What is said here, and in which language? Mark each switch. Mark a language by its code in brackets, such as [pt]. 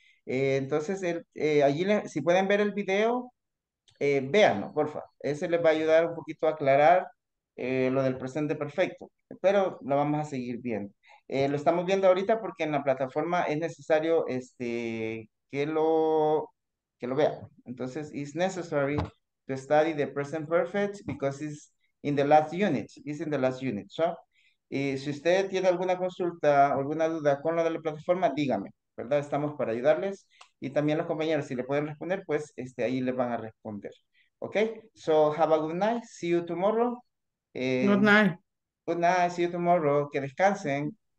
[es] Entonces, si pueden ver el video, véanlo, porfa. Ese les va a ayudar un poquito a aclarar lo del presente perfecto. Pero lo vamos a seguir viendo. Lo estamos viendo ahorita porque en la plataforma es necesario que lo vean. [en] Entonces, it's necessary to study the present perfect because it's in the last unit. It's in the last unit, so. [es] Y si usted tiene alguna consulta o alguna duda con lo de la plataforma, dígame, ¿verdad? Estamos para ayudarles. Y también los compañeros, si le pueden responder, pues ahí les van a responder. [en] ¿Ok? So, have a good night. See you tomorrow. Good night. Good night. See you tomorrow. [es] Que descansen.